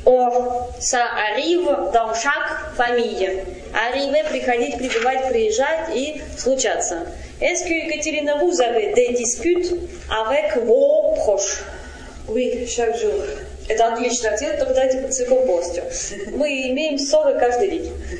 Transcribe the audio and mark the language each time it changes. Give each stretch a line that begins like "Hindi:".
French: Or, ça arrive dans chaque famille.
Russian: Arriver, приходить, прибывать, приезжать и случаться.
French: Est-ce que, Екатерина, vous avez des disputes avec vos proches? Oui, chaque jour.
Russian: Это отличный ответ, только дайте по целиком полностью. Мы имеем ссоры каждый день.